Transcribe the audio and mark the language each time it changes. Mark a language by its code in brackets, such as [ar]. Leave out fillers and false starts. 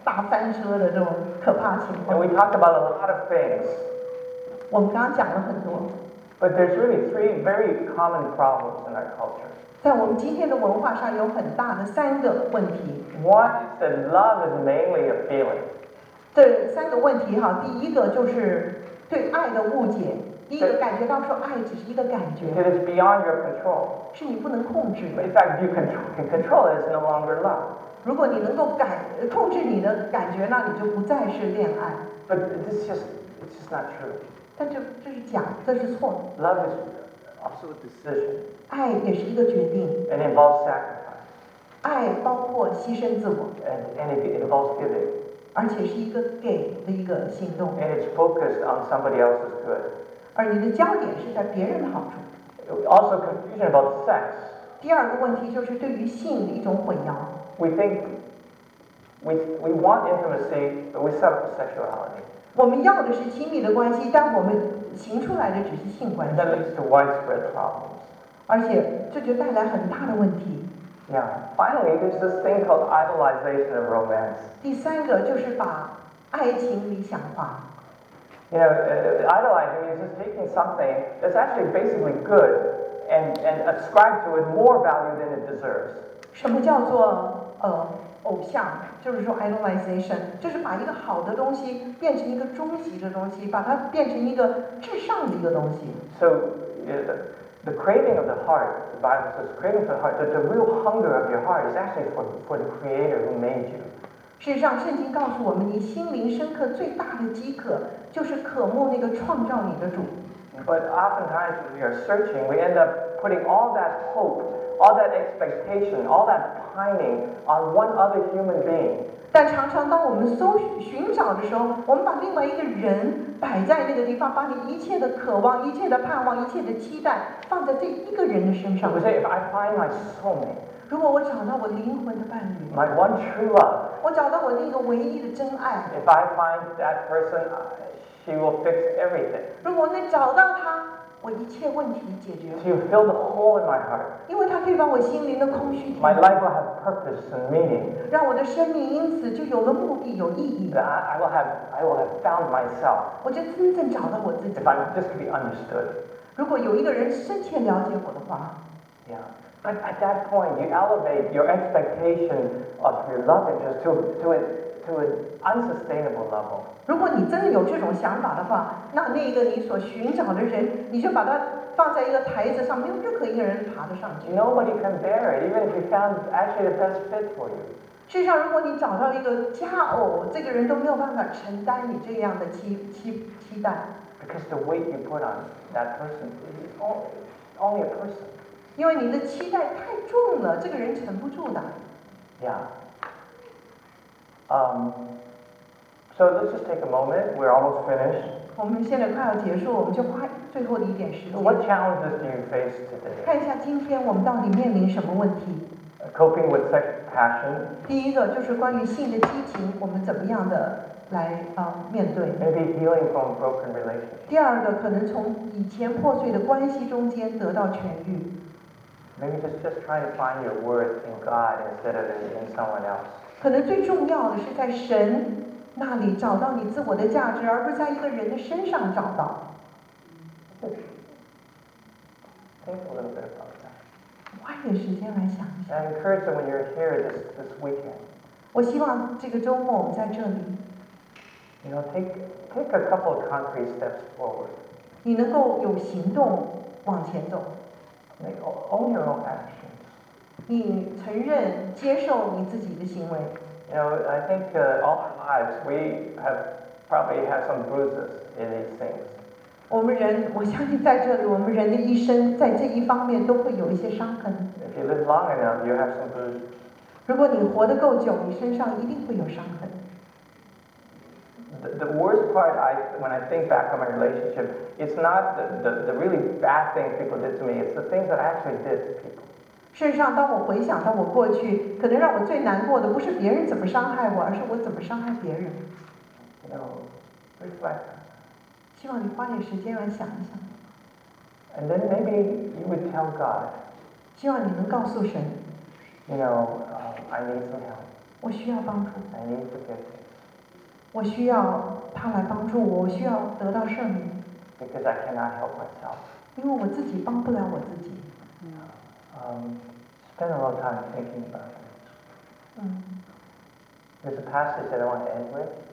[zh] 虽然我们在找到一个美好的爱的关系，但我们常常看到的都是这样，大翻车的这种可怕情况。 [en] And we talk about a lot of things. [zh] 我们刚刚讲了很多, [en] but there's really three very common problems in our culture. [zh] 在我们今天的文化上有很大的三个问题。 [en] One is that love is mainly a feeling. [zh] 这三个问题哈，第一个就是对爱的误解，第一个感觉到说爱只是一个感觉。 [en] It is beyond your control. [zh] 是你不能控制的。 [en] In fact, you can control it, it's no longer love. [zh] 如果你能够控制你的感觉，那你就不再是恋爱。 [en] But it's just not true. [zh] 但这是假，这是错的。 [en] Love is also a decision. [zh] 爱也是一个决定。 [en] And it involves sacrifice. [zh] 爱包括牺牲自我。 [en] And it involves giving. [zh] 而且是一个给的一个行动。 [en] And it's focused on somebody else's good. [zh] 而你的焦点是在别人的好处。 [en] Also confusion about sex. [zh] 第二个问题就是对于性的一种混淆。 [en] We want intimacy, but we set up for sexuality. [zh] 我们要的是亲密的关系，但我们行出来的只是性关系。 [en] That leads to widespread problems. [zh] 而且这就带来很大的问题。 [en] Yeah. Finally, there's this thing called idolization of romance. [zh] 第三个就是把爱情理想化。 [en] You know, idolizing means just taking something that's actually basically good and ascribe to it more value than it deserves. [zh] 什么叫做偶像？就是说 [en] idolization， [zh] 就是把一个好的东西变成一个终极的东西，把它变成一个至上的一个东西。 [en] So the craving of the heart, the Bible says, craving for the heart, the real hunger of your heart is actually for the Creator who made you. [zh] 事实上，圣经告诉我们，你心灵深刻最大的饥渴，就是渴慕那个创造你的主。 [en] But oftentimes when we are searching, we end up putting all that hope, all that expectation, all that pining on one other human being. [zh] 但常常当我们搜寻找的时候，我们把另外一个人摆在那个地方，把你一切的渴望、一切的盼望、一切的期待放在这一个人的身上。 [en] We say, if I find my soulmate, [zh] 如果我找到我灵魂的伴侣 [en] ，my one true love， [zh] 我找到我那个唯一的真爱 [en] ，if I find that person， she will fix everything。 [zh] 如果我能找到他，我一切问题解决。 [en] She will fill the hole in my heart。 [zh] 因为他可以把我心灵的空虚填满。 [en] My life will have purpose and meaning。 [zh] 让我的生命因此就有了目的，有意义。 [en] I will have found myself。 [zh] 我就真正找到我自己。 [en] If I just be understood。 [zh] 如果有一个人深切了解我的话 [en] ，Yeah。 But at that point, you elevate your expectation of your love interest to an unsustainable level. [zh] 如果你真的有这种想法的话，那那个你所寻找的人，你就把它放在一个台子上，没有任何一个人爬得上去。 [en] Nobody can bear it, even if you found actually the best fit for you. [zh] 事实上，如果你找到一个佳偶，这个人都没有办法承担你这样的期待。 [en] Because the weight you put on that person is only a person. [zh] 因为你的期待太重了，这个人承不住的。 [en] Yeah. So let's just take a moment. We're almost finished. [zh] 我们现在快要结束，我们就花最后的一点时间。 [en] What challenges do you face today? [zh] 看一下今天我们到底面临什么问题。 [en] Coping with sexual passion. [zh] 第一个就是关于性的激情，我们怎么样的来面对。 [en] Maybe healing from broken relationships. [zh] 第二个可能从以前破碎的关系中间得到痊愈。 [en] Maybe just try to find your worth in God instead of in someone else. [zh] 可能最重要的是在神那里找到你自我的价值，而不在一个人的身上找到。 [en] Think a little bit about that. [zh] 花点时间来想一想。 [en] I encourage you when you're here this weekend. [zh] 我希望这个周末我们在这里。 [en] You know, take a couple of concrete steps forward. [zh] 你能够有行动往前走。 [en] Make own your own actions. [zh] 你承认接受你自己的行为。 [en] You know, I think all our lives we have probably had some bruises in these things. [zh] 我们人，我相信在这里，我们人的一生在这一方面都会有一些伤痕。 [en] If you live long enough, you have some bruises. [zh] 如果你活得够久，你身上一定会有伤痕。 [en] The worst part, when I think back on my relationship, it's not the really bad things people did to me. It's the things that I actually did to people. [zh] 事实上，当我回想到我过去，可能让我最难过的不是别人怎么伤害我，而是我怎么伤害别人。 [en] No, reflect. [zh] 希望你花点时间来想一想。 [en] And then maybe you would tell God. [zh] 希望你能告诉神。 [en] You know, I need some help. [zh] 我需要帮助。 [en] I need forgiveness. [zh] 我需要他来帮助我，我需要得到赦免。 [en] Because I cannot help myself. [zh] 因为我自己帮不了我自己。 [en] Spend a lot of time thinking about it. There's a passage that I want to end with.